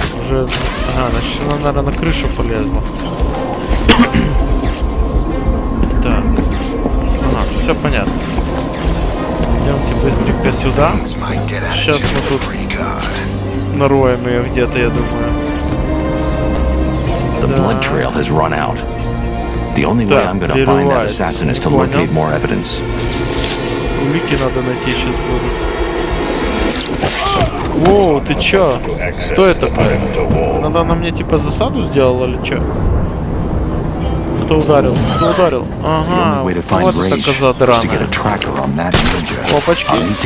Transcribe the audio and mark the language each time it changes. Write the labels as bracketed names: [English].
[Russian] Ага, значит она, наверное, на крышу полезла. Так. Ага, все понятно. Идемте быстренько сюда. Сейчас мы тут нароем ее где-то, я думаю. [English] The blood trail has run out. The only way I'm gonna find that assassin is to locate more evidence. [Russian] Улики надо найти сейчас будут. Воу, ты чё? Кто это такой? Надо на мне типа засаду сделала или чё? Кто ударил? Кто ударил? Ага, вот эта коза драная. Опачки.